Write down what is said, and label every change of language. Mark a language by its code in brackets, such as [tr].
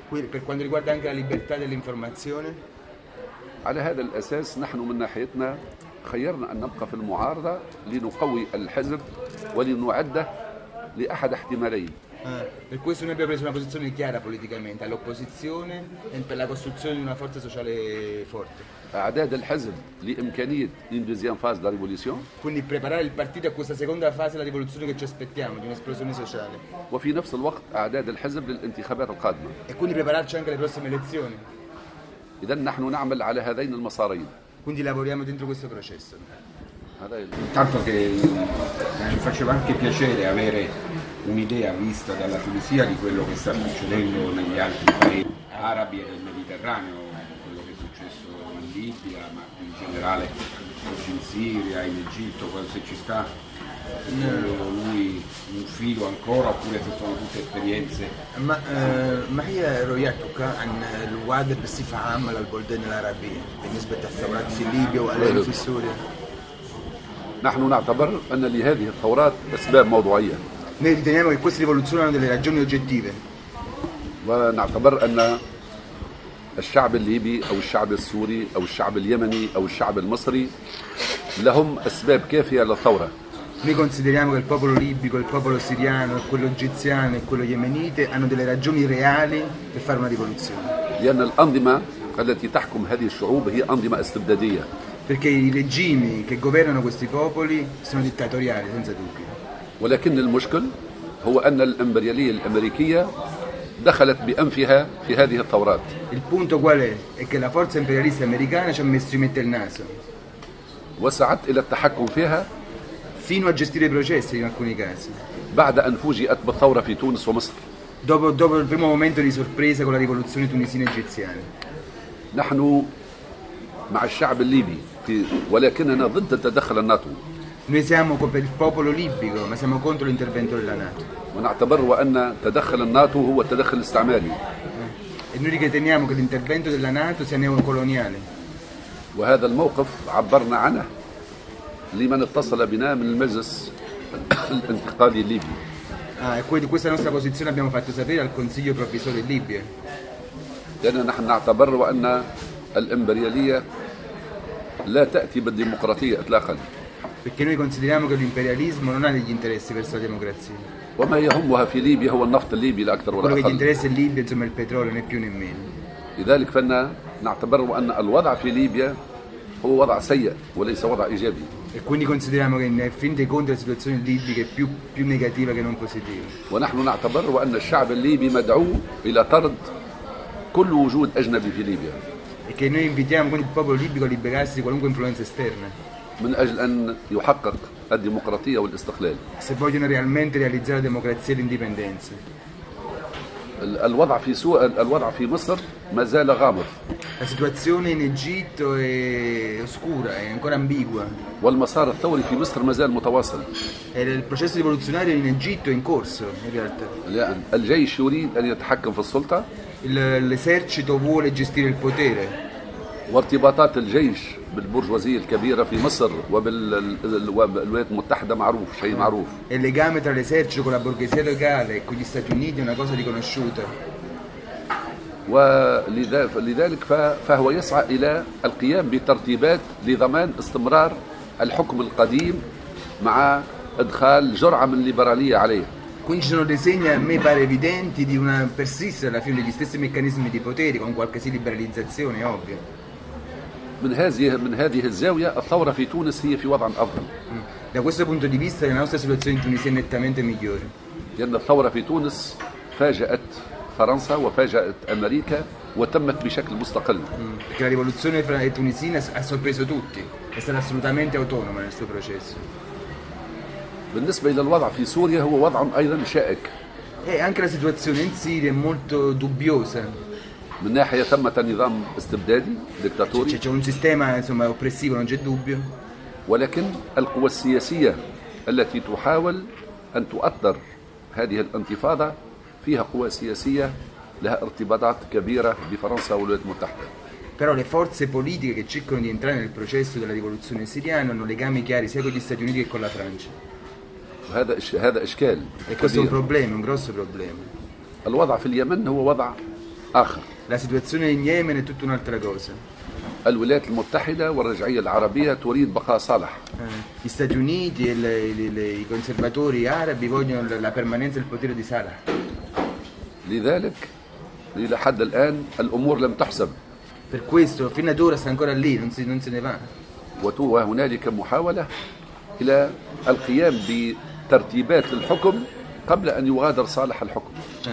[it] Per quanto riguarda anche la libertà dell'informazione. [ar] على هذا الأساس نحن من ناحيتنا خيرنا أن نبقى في المعارضة لنقوي الحزب ولنعده لأحد احتمالين. [it] Per questo noi abbiamo preso una posizione chiara politicamente all'opposizione e per la costruzione di una forza sociale forte. [ar] أعداد الحزب لإمكانية [fr] إنديزيان فاز لا ريفوليسيون. [it] Quindi preparare il partito a questa seconda fase della rivoluzione che ci aspettiamo di un'esplosione sociale. [ar] وفي نفس الوقت أعداد الحزب للانتخابات القادمة. [it] E quindi prepararci anche alle prossime elezioni. [ar] إذن نحن نعمل على هذين المسارين. [it] Quindi lavoriamo dentro questo processo. [ar] هذا [it] intanto che ci faceva anche piacere avere un'idea vista dalla Tunisia di quello che sta succedendo negli altri paesi arabi e del Mediterraneo, quello che è successo in Libia, ma in generale in Siria, in Egitto, se ci sta lui un filo ancora oppure se sono tutte esperienze. [ar] ما هي رؤيتك عن الوضع بصفة عامة للبلدان العربية بالنسبة للثورات في ليبيا وألف في سوريا؟ نحن نعتبر أن لهذه الثورات أسباب موضوعية. [it] Noi riteniamo che queste rivoluzioni hanno delle ragioni oggettive. [ar] ونعتبر أن الشعب الليبي أو الشعب السوري أو الشعب اليمني أو الشعب المصري لهم أسباب كافية للثورة. [it] Noi consideriamo che il popolo libico, il popolo siriano, quello egiziano e quello yemenite hanno delle ragioni reali per fare una rivoluzione. [ar] لأن الأنظمة التي تحكم هذه الشعوب هي أنظمة استبدادية. [it] Perché i regimi che governano questi popoli sono dittatoriali, senza dubbio. [ar] ولكن المشكل هو أن الإمبريالية الأمريكية دخلت بأنفها في هذه الثورات. [it] Il punto qual è? È che la forza imperialista americana ci ha messo in mente il naso. [ar] وسعت إلى التحكم فيها. [it] Fino a gestire i processi in alcuni casi. [ar] بعد أن فوجئت بالثورة في تونس ومصر. [it] Dopo il primo momento di sorpresa con la rivoluzione tunisina egiziana. [ar] نحن مع الشعب الليبي في ولكننا ضد التدخل الناتو. [it] Noi siamo per il popolo libico, ma siamo contro l'intervento della NATO. [ar] ونعتبر أن تدخل الناتو هو التدخل الاستعماري. [it] E noi riteniamo che l'intervento della NATO sia neocoloniale. [ar] وهذا الموقف عبرنا عنه لمن اتصل بنا من المجلس الانتقالي الليبي. [it] E quindi questa nostra posizione abbiamo fatto sapere al Consiglio Provvisorio in Libia. [ar] لأننا نحن نعتبر أن الإمبريالية لا تأتي بالديمقراطية إطلاقا. [it] Perché noi consideriamo che l'imperialismo non ha degli interessi verso la democrazia. [ar] وما يهمها في ليبيا هو النفط الليبي الأكثر والأقل. [it] Quello che interessa in Libia insomma il petrolio né più né meno. [ar] لذلك فإن نعتبر أن الوضع في ليبيا هو وضع سيء وليس وضع إيجابي. [it] E quindi consideriamo che in fin dei conti la situazione libica è più negativa che non positiva. [ar] ونحن نعتبر أن الشعب الليبي مدعو إلى طرد كل وجود أجنبي في ليبيا. [it] E che noi invitiamo quindi il popolo libico a liberarsi di qualunque influenza esterna. [ar] من أجل أن يحقق الديمقراطية والاستقلال. [it] Se vogliono realmente realizzare la democrazia e l'indipendenza. [ar] الوضع في مصر ما زال غامض. [it] La situazione in Egitto è oscura, è ancora ambigua. [ar] والمسار الثوري في مصر ما زال متواصل. [it] E il processo rivoluzionario in Egitto è in corso, in realtà. [ar] لأن الجيش يريد أن يتحكم في السلطة. [it] L'esercito vuole gestire il potere. [ar] وارتباطات الجيش بالبرجوازية الكبيرة في مصر وبالولايات المتحدة معروف شيء معروف. [it] E il legame tra l'esercito con la borghesia locale e con gli Stati Uniti è una cosa riconosciuta. [ar] ولذلك فهو يسعى إلى القيام بترتيبات لضمان استمرار الحكم القديم مع إدخال جرعة من الليبرالية عليه. [it] Quindi ci sono dei segni a me pare evidenti di una persistere alla fine degli stessi meccanismi di potere con qualche sì liberalizzazione ovvio. [ar] من هذه الزاوية الثورة في تونس هي في وضع أفضل. [it] Da questo punto di vista la nostra situazione in Tunisia è nettamente migliore. [ar] لأن الثورة في تونس فاجأت فرنسا وفاجأت أمريكا وتمت بشكل مستقل. [it] Perché la rivoluzione tunisina ha sorpreso tutti, è stata assolutamente autonoma nel suo processo. [ar] بالنسبة إلى الوضع في سوريا هو وضع أيضا شائك. [it] E anche la situazione in Siria è molto dubbiosa. [ar] من ناحية ثمة نظام استبدادي ديكتاتوري. [it] C'è un sistema insomma oppressivo non c'è dubbio. [ar] ولكن القوى السياسية التي تحاول أن تؤثر هذه الانتفاضة فيها قوى سياسية لها ارتباطات كبيرة بفرنسا والولايات المتحدة. [it] Però le forze politiche che cercano di entrare nel processo della rivoluzione siriana hanno legami chiari sia con gli Stati Uniti che con la Francia. [ar] وهذا إشكال. [it] E questo è un problema, un grosso problema. [ar] الوضع في اليمن هو وضع آخر. [it] La situazione in Yemen è tutta un'altra cosa. [ar] الولايات المتحدة والرجعية العربية تريد بقاء صالح. [it] Gli Stati Uniti e i conservatori arabi vogliono la permanenza del potere di Saleh. [ar] لذلك إلى حد الآن الأمور لم تحسب. [it] Per questo fino ad ora sta ancora lì, non se ne va. [ar] وهنالك محاولة إلى القيام بترتيبات للحكم قبل أن يغادر صالح الحكم.